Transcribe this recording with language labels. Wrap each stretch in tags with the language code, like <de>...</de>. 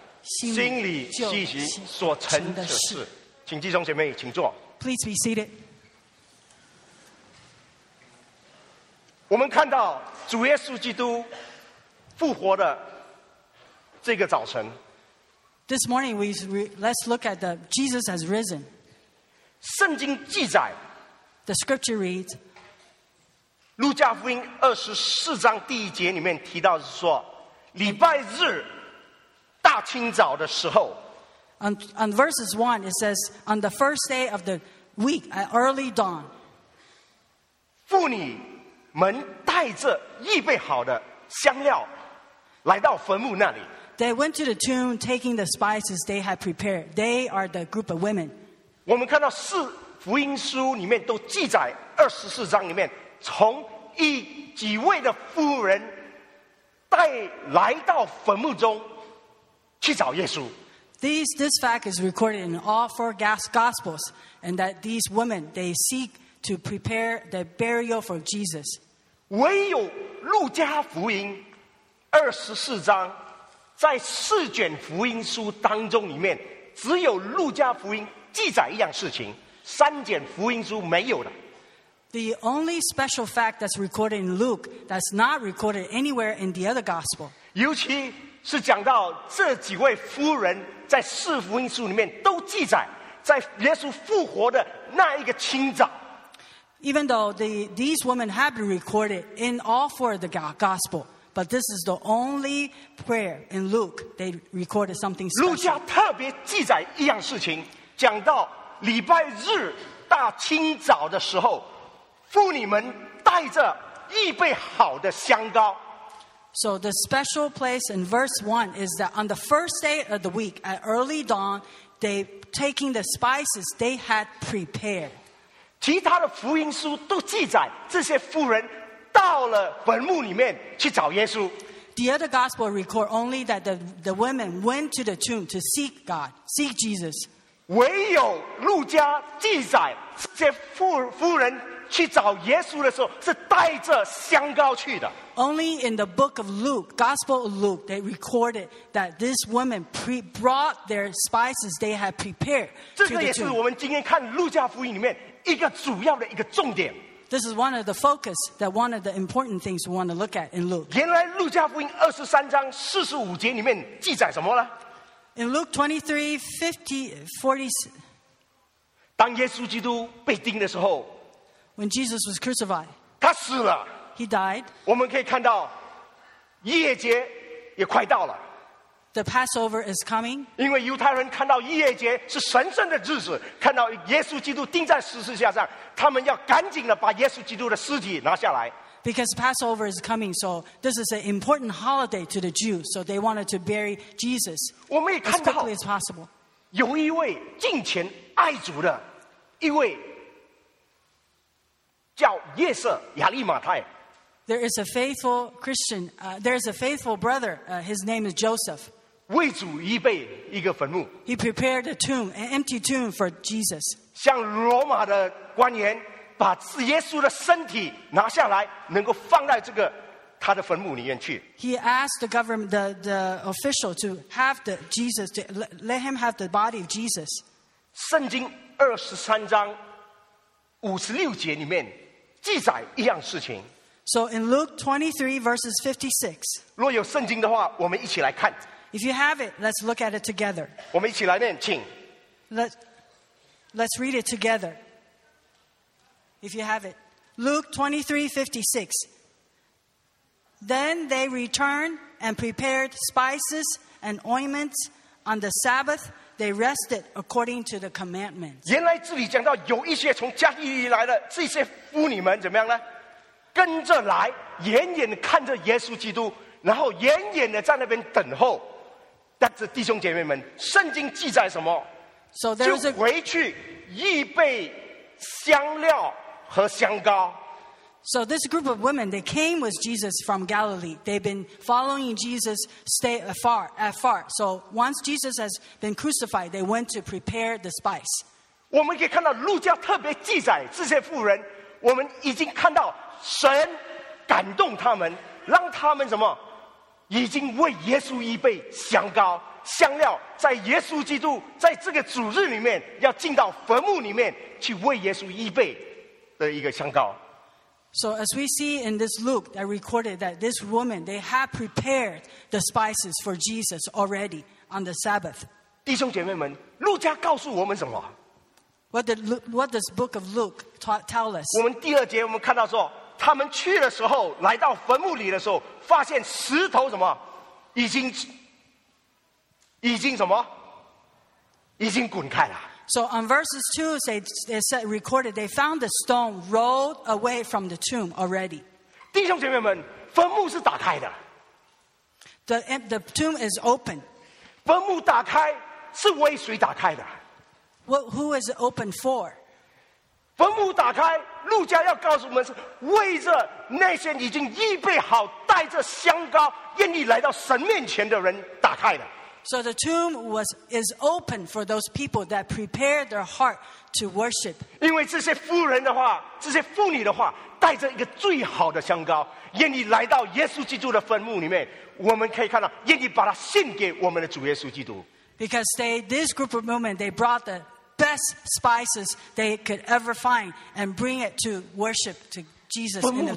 <zh>心里就细行所成的事。请弟兄姐妹请坐。</zh> <en>Please be seated.</en> <zh>我们看到主耶稣基督复活的这个早晨，</zh> <en>This morning, let's look at the Jesus has risen.</en> <zh>圣经记载</zh> <en>The scripture reads,</en> <zh>路加福音二十四章第一节里面提到是说，礼拜日大清早的时候。</zh> <en>On verses one, it says, on the first day of the week, at early dawn.</en> <zh>妇女们带着预备好的香料来到坟墓那里。</zh> <en>They went to the tomb taking the spices they had prepared. They are the group of women.</en> <zh>我们看到四福音书里面都记载二十四章里面从一几位的妇人带来到坟墓中去找耶稣。</zh> <en>This fact is recorded in all four Gospels, and that these women, they seek to prepare the burial for Jesus.</en> <zh>唯有路加福音二十四章在四卷福音书当中里面只有路加福音记载一样事情，三卷福音书没有的。</zh> <en>The only special fact that's recorded in Luke that's not recorded anywhere in the other gospel.</en> <zh>尤其是讲到这几位夫人在四福音书里面都记载在耶稣复活的那一个清早。</zh> <en>Even though these women have been recorded in all four of the gospel, but this is the only prayer in Luke they recorded something special.</en> <zh>路加特别记载一样事情，讲到礼拜日大清早的时候妇女们带着预备好的香膏。</zh> <en>So the special place in verse 1 is that on the first day of the week, at early dawn, they taking the spices they had prepared.</en> <zh>其他的福音书都记载这些妇人到了坟墓里面去找耶稣。</zh> <en>The other gospel record only that the women went to the tomb to seek God, seek Jesus.</en> <zh>唯有路加记载这些妇人去找耶稣的时候是带着香膏去的。</zh> <en>Only in the book of Luke, Gospel of Luke, they recorded that this woman brought their spices they had prepared.</en> <zh>这个也是我们今天看路加福音里面一个主要的一个重点。</zh> <en>This is one of the focus that one of the important things we want to look at in Luke.</en> <zh>原来路加福音二十三章四十五节里面记载什么呢？</zh> <en>In Luke 23:50-46,</en> <zh>当耶稣基督被钉的时候。</zh> <en>When Jesus was crucified,</en> <zh>他死了。</zh> <en>He died.</en> <zh>我们可以看到，逾节也快到了。</zh> <en>The Passover is coming.</en> <zh>因为犹太人看到逾节是神圣的日子，看到耶稣基督钉在十字架上，他们要赶紧的把耶稣基督的尸体拿下来。</zh> <en>Because Passover is coming, so this is an important holiday to the Jews. So they wanted to bury Jesus as quickly as possible.</en> <zh>有一位敬虔爱主的一位。叫约瑟亚利马太。</zh> <en>There is a faithful Christian. There is a faithful brother. His name is Joseph.</en> <zh>为主预备一个坟墓。</zh> <en>He prepared a tomb, an empty tomb for Jesus.</en> <zh>向罗马的官员把耶稣的身体拿下来，能够放在这个他的坟墓里面去。</zh> <en>He asked the government, the official, to have the Jesus, to let him have the body of Jesus.</en> <zh>圣经二十三章。五十六节里面记载一样事情。</zh> <en>So in Luke 23 verses 56.</en> <zh>若有圣经的话，我们一起来看。</zh> <en>If you have it, let's look at it together.</en> <zh>我们一起来念，请。</zh> <en>Let's read it together. If you have it, Luke 23:56. Then they returned and prepared spices and ointments on the Sabbath. They rested according to the commandments.</en> <zh>原来这里讲到有一些从加利利来的这些妇女们怎么样呢？跟着来，远远的看着耶稣基督，然后远远的在那边等候。但是弟兄姐妹们，圣经记载什么？</zh> <en>So there was a,</en> <zh>就回去预备香料和香膏。</zh> <en>So this group of women, they came with Jesus from Galilee. They've been following Jesus stay afar. So once Jesus has been crucified, they went to prepare the spice.</en> <zh>我们可以看到路加特别记载这些妇人，我们已经看到神感动他们，让他们什么，已经为耶稣预备香膏、香料，在耶稣基督在这个主日里面要进到坟墓里面去为耶稣预备的一个香膏。</zh> <en>So as we see in this Luke that recorded that this woman, they had prepared the spices for Jesus already on the Sabbath.</en> <zh>弟兄姐妹们，路加告诉我们什么？</zh> <en>What does book of Luke tell us?</en> <zh>我们第二节我们看到说，他们去的时候，来到坟墓里的时候，发现石头什么，已经什么，已经滚开了。</zh> <en>So on verses 2, they said, recorded, they found the stone rolled away from the tomb already.</en> <zh>弟兄姐妹们，坟墓是打开的。</zh> <en>The tomb is open.</en> <zh>坟墓打开是为谁打开的？</zh> <en>Well, who is it open for?</en> <zh>坟墓打开，路加要告诉我们是为着那些已经预备好带着香膏愿意来到神面前的人打开的。</zh> <en>So the tomb is open for those people that prepare their heart to worship.</en> <zh>因为这些妇人的话，这些妇女的话，带着一个最好的香膏，愿意来到耶稣基督的坟墓里面，我们可以看到，愿意把它献给我们的主耶稣基督。</zh> <en>Because this group of women, they brought the best spices they could ever find and bring it to worship to Jesus in the tomb.</en>